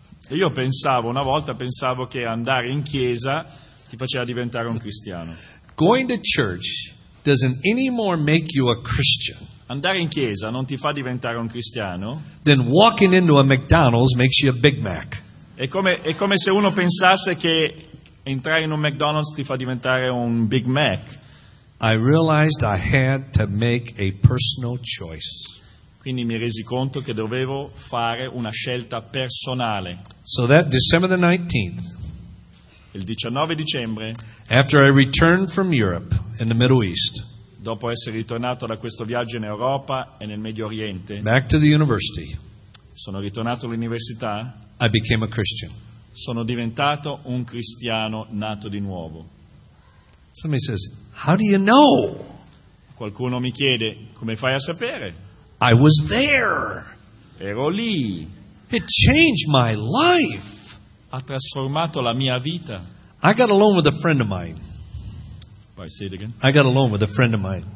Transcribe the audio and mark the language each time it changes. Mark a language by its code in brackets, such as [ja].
[it] Io pensavo, una volta pensavo che andare in chiesa ti faceva diventare un cristiano. [en] Going to church doesn't anymore make you a Christian. [it] Andare in chiesa non ti fa diventare un cristiano. [en] Then walking into a McDonald's makes you a Big Mac. [it] È come se uno pensasse che entrare in un McDonald's ti fa diventare un Big Mac. [en] I realized I had to make a personal choice. [it] Quindi mi resi conto che dovevo fare una scelta personale. [en] So that December the 19th, [it] il 19 dicembre, [en] after I returned from Europe in the Middle East, [it] dopo essere ritornato da questo viaggio in Europa e nel Medio Oriente, [en] back to the university, [it] sono ritornato all'università, [en] I became a Christian. [it] Sono diventato un cristiano nato di nuovo. [en] Somebody says, "How do you know?" [it] Qualcuno mi chiede, "Come fai a sapere?" [en] I was there. [it] Ero lì. [en] It changed my life. [it] Ha trasformato la mia vita. [en] I got alone with a friend of mine. [it] Poi, [en] say it again. I got alone with a friend of mine.